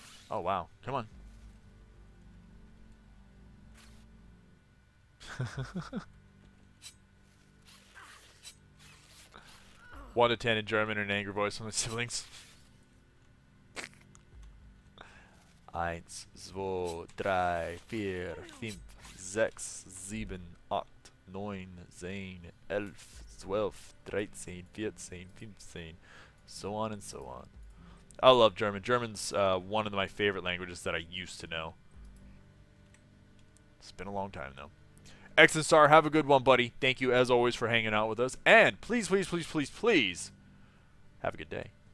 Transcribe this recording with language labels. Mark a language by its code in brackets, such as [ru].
[en] Oh, wow. Come on. One to ten in German and an angry voice from my siblings. [de] Eins, zwei, drei, vier, fünf, sechs, sieben, acht, neun, zehn, elf, zwölf, dreizehn, vierzehn, fünfzehn, [en] so on and so on. I love German. German's one of my favorite languages that I used to know. It's been a long time, though. X and Star, have a good one, buddy. Thank you, as always, for hanging out with us. And please, please, please, please, please, have a good day.